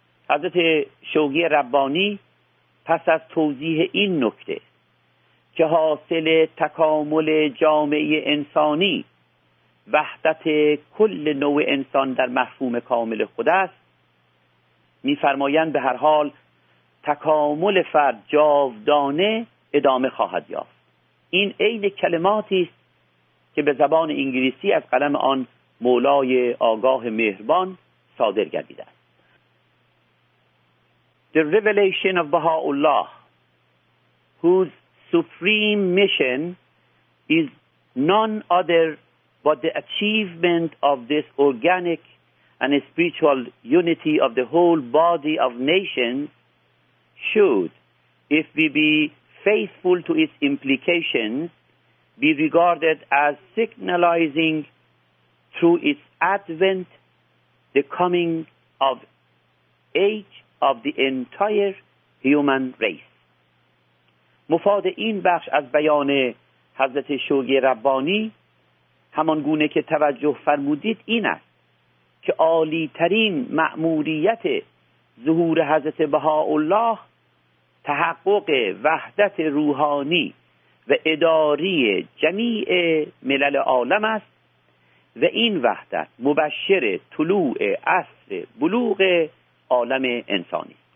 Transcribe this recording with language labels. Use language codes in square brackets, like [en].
[fa] حضرت شوقی ربانی پس از توضیح این نکته که حاصل تکامل جامعه انسانی وحدت کل نوع انسان در مفهوم کامل خود است، می فرمایند به هر حال تکامل فرد جاودانه ادامه خواهد یافت. این عین کلماتی است که به زبان انگلیسی از قلم آن مولای آگاه مهربان صادر گردیده است. [en] The revelation of Baha'u'llah whose supreme mission is none other but the achievement of this organic and spiritual unity of the whole body of nations, should, if we be faithful to its implications, be regarded as signalizing through its advent the coming of age of the entire human race. [fa] مفاد این بخش از بیان حضرت شوقی ربانی همان گونه که توجه فرمودید این است که عالی ترین مأموریت ظهور حضرت بهاءالله تحقق وحدت روحانی و اداری جمیع ملل عالم است و این وحدت مبشر طلوع عصر بلوغ عالم انسانی.